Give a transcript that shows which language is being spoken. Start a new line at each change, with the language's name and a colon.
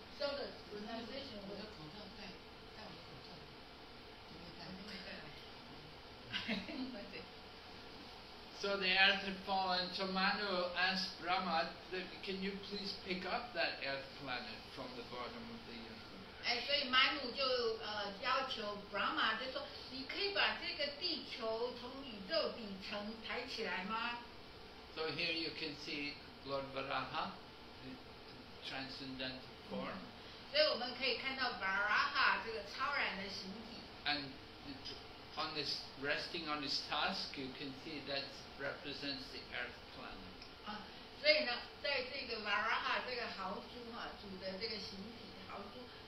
English: So the pronunciation was... I don't have a mask. I don't have a mask. I don't have a mask. So the earth had fallen. So Manu asked Brahma, can you please pick up that earth planet from the bottom of the earth?
Chinese: 哎，所以曼努就要求 Brahma 就说，你可以把这个地球从宇宙底层抬起来吗？
English: So here you can see Lord Varaha, transcendental form.
Chinese: 所以我们可以看到 Varaha 这个超然的形体。
English: And on this resting on his tusk, you can see that represents the Earth planet.
Chinese: 啊，所以呢，在这个 Varaha 这个豪猪哈、啊、主的这个形体豪猪。